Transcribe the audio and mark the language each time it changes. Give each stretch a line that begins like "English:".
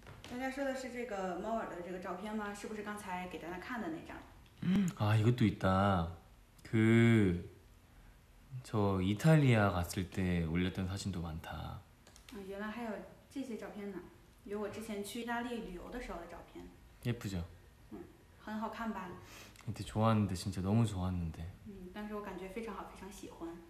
Chinese: 大家说的是这个猫耳的这个照片吗？是不是刚才给大家看的那张？
Korean: 아이것도있다그저이탈리아갔을때올렸던사진도많다
Chinese: 原来还有这些照片呢，有我之前去意大利旅游的时候的照片。
Korean: 예쁘죠
Chinese: 很好看吧？
Korean: 근데좋았는데진짜너무좋았는데
Chinese: 当时我感觉非常好，非常喜欢。